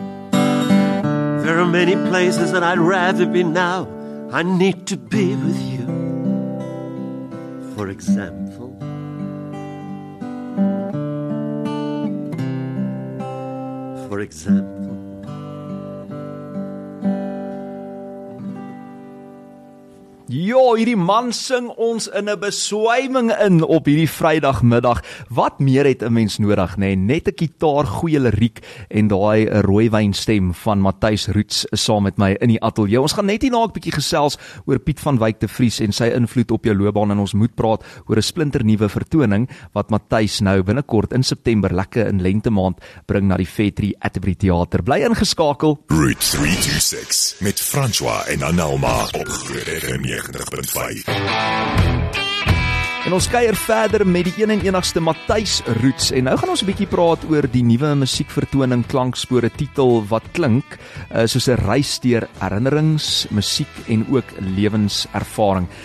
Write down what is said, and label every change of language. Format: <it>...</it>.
<en>There are many places that I'd rather be now I need to be with you For example For example</en> <af>Ja, hierdie man sing ons in 'n beswyming in op hierdie Vrydagmiddag. Wat meer het 'n mens nodig, nê? Net 'n gitaar, goeie liriek en daai rooi wynstem van Matthys Roots saam met my in die ateljee. Ons gaan net hierna 'n bietjie gesels oor Piet van Wyk te Vries en sy invloed op jou loopbaan en ons moet praat oor 'n splinternuwe vertoning wat Matthys nou binnekort in September, lekker in lente maand, bring na die Vetri Atterbury Theater. Bly ingeskakel. Route 326 met François en Anelma op En ons kuier verder met die 1ste Matthys Roots en nou gaan ons 'n bietjie praat oor die nuwe musiekvertoning Klankspore titel wat klink soos 'n reis deur herinnerings, musiek en ook lewenservaring.</af>